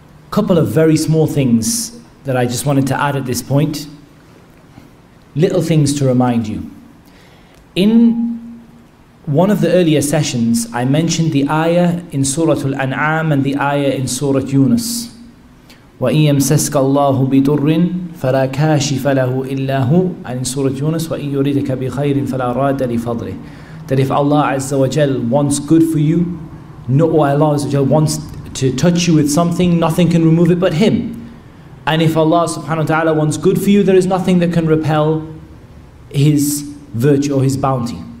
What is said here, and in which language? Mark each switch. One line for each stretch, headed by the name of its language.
English: Couple of very small things that I just wanted to add at this point. Little things to remind you. In one of the earlier sessions, I mentioned the ayah in Surah Al-An'am and the ayah in Surah Yunus.
Arabic: وَإِنْ يَمْسَسْكَ اللَّهُ بِضُرٍ فَلَا كَاشِفَ لَهُ إِلَّا هُ.
English: And in Surah Yunus,
Arabic: وَإِنْ يُرِدَكَ بِخَيْرٍ فَلَا رَادَ لِفَضْلِهِ.
English: That if Allah Azza wa Jal wants good for you, or Allah Azza wa Jal wants to touch you with something, nothing can remove it but Him. And if Allah subhanahu wa ta'ala wants good for you, there is nothing that can repel His virtue or His bounty.